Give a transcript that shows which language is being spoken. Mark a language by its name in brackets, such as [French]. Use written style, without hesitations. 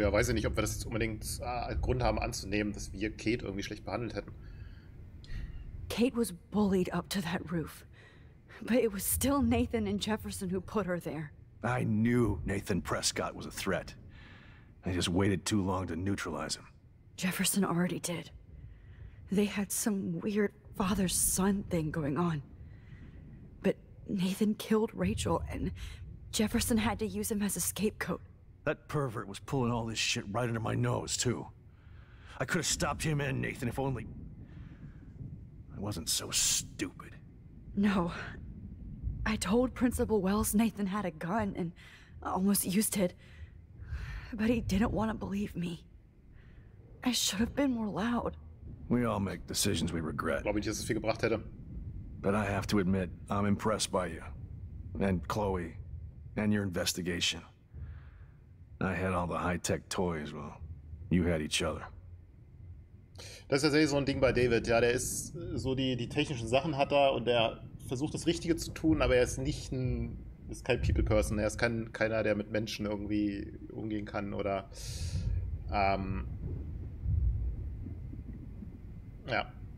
[German] Ja, weiß ich nicht, ob wir das jetzt unbedingt Grund haben anzunehmen, dass wir Kate irgendwie schlecht behandelt hätten. [English] Kate was bullied up to that roof. But it was still Nathan and Jefferson who put her there. I knew Nathan Prescott was a threat. I just waited too long to neutralize him. Jefferson already did. They had some weird father-son thing going on. But Nathan killed Rachel and Jefferson had to use him as a scapegoat. That pervert was pulling all this shit right under my nose, too. I could have stopped him and Nathan if only... I wasn't so stupid. No. I told Principal Wells Nathan had a gun and almost used it. But he didn't want to believe me. I should have been more loud. We all make decisions we regret. [German] Glaube ich, dass es viel gebracht hätte. [English] But I have to admit, I'm impressed by you. And Chloe. And your investigation. I had all the high-tech toys, well, you had each other. [German] Das ist ja sehr so ein Ding bei David, ja, der ist so die technischen Sachen hat er und er versucht das Richtige zu tun, aber er ist nicht ein, ist kein People-Person, er ist keiner, der mit Menschen irgendwie umgehen kann oder, ja.